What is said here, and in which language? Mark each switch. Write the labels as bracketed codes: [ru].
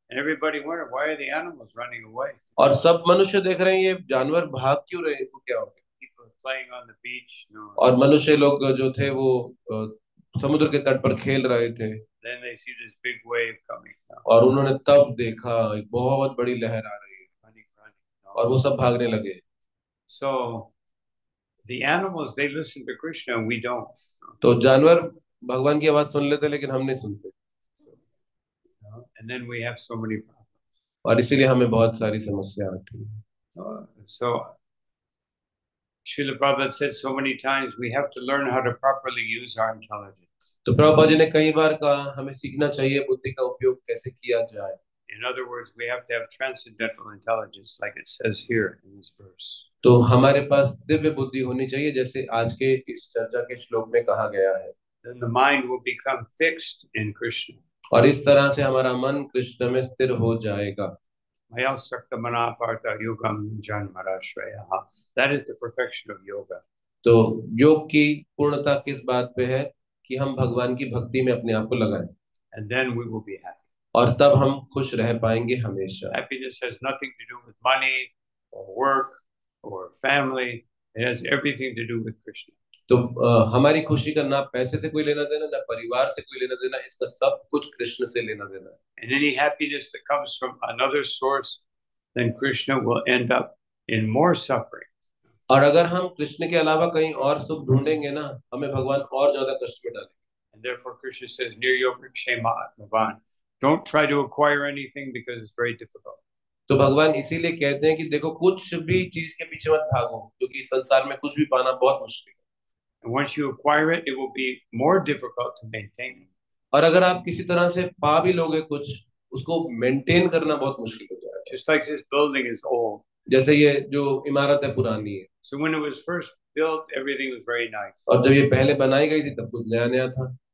[en] Everybody wondered, why are the animals running away? [hi] और सब मनुष्य देख रहे हैं ये जानवर भाग क्यों रहे हैं क्या हो गया [en] People playing on the beach, no. [hi] और मनुष्य लोग जो थे वो समुद्र के तट पर खेल रहे थे [en] Then they see this big wave coming down. [hi] और उन्होंने तब देखा एक बहुत बड़ी लहर आ रही और वो सब भागने लगे [en] So, the animals, they listen to Krishna, we don't. [hi] तो जानवर भगवान की आवाज सुन लेते लेकिन हम नहीं सुनते [en] And then we have so many problems. [hi] और इसीलिए हमें बहुत सारी समस्या आती है [en] So, Srila Prabhupada said so many times, we have to learn how to properly use our intelligence. [hi] तो प्रभुपाद जी ने कई बार कहा हमें सीखना चाहिए बुद्धि का उपयोग कैसे किया जाए [en] In other words, we have to have transcendental intelligence, like it says here in this verse. [hi] तो हमारे पास दिव्य बुद्धि होनी चाहिए, जैसे आज के इस चर्चा के श्लोक में कहा गया है. [en] Then the mind will become fixed in Krishna. [hi] और इस तरह से हमारा मन कृष्ण में स्थिर हो जाएगा. [sa] Maya sakta mana partha yogam janmarashrayah. [en] That is the perfection of yoga. [hi] तो योग की पूर्णता किस बात पे है कि हम भगवान की भक्ति में अपने आप को लगाएं. [en] And then we will be happy. [hi] और तब हम खुश रह पाएंगे हमेशा [en] Happiness has nothing to do with money or work. or family. It has everything to do with Krishna. [hi] तो हमारी खुशी का ना पैसे से कोई लेना देना ना परिवार से कोई लेना देना इसका सब कुछ कृष्ण से लेना देना है [en] and any happiness that comes from another source then Krishna will end up in more suffering [hi] और अगर हम कृष्ण के अलावा कहीं और सुख ढूंढेंगे ना हमें भगवान और ज्यादा कष्ट में डालेंगे [en] and therefore Krishna says [sa] niryoga kshema atmavan [en] don't try to acquire anything because it's very difficult [hi] तो भगवान इसीलिए कहते हैं कि देखो कुछ भी चीज के पीछे मत भागो क्योंकि संसार में कुछ भी पाना बहुत मुश्किल है [en] Once you acquire it, it will be more difficult to maintain. [hi] और अगर आप किसी तरह से पा भी लोगे कुछ, उसको maintain करना बहुत मुश्किल हो जाएगा. [en] Just like this building is old. [hi] जैसे ये जो इमारत है पुरानी है. [en] So when it was first built, everything was very nice. [hi] और जब ये पहले बनाई गई थी, तब कुछ नया नया था.